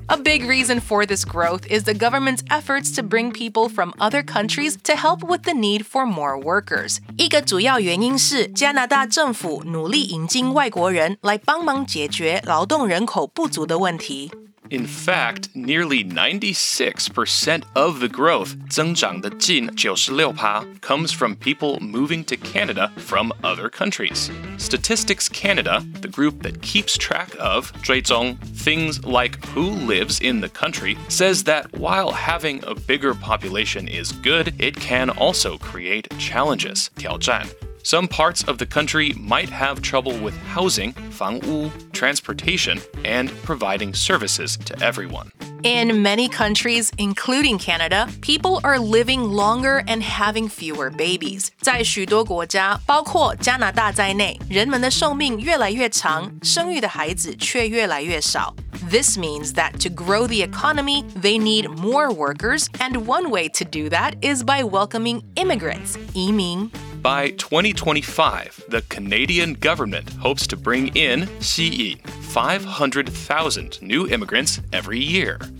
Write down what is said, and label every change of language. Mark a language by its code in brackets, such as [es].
[en] A big reason for this growth is the government's efforts to bring people from other countries to help with the need for more workers. [zh] 一个主要原因是加拿大政府努力引进外国人来帮忙解决劳动人口不足的问题。 [en] In fact, nearly 96% of the growth, [zh] 增长的近 96%, [en] comes from people moving to Canada from other countries. Statistics Canada, the group that keeps track of [zh] 追踪, [en] things like who lives in the country, says that while having a bigger population is good, it can also create challenges, [zh] 挑战。 [en] Some parts of the country might have trouble with housing, [zh] 房屋, [en] transportation, and providing services to everyone. In many countries, including Canada, people are living longer and having fewer babies. [zh] 在许多国家,包括加拿大在内,人们的寿命越来越长,生育的孩子却越来越少。 [en] This means that to grow the economy, they need more workers, and one way to do that is by welcoming immigrants, 移民。 By 2025, the Canadian government hopes to bring in 吸引 500,000 new immigrants every year.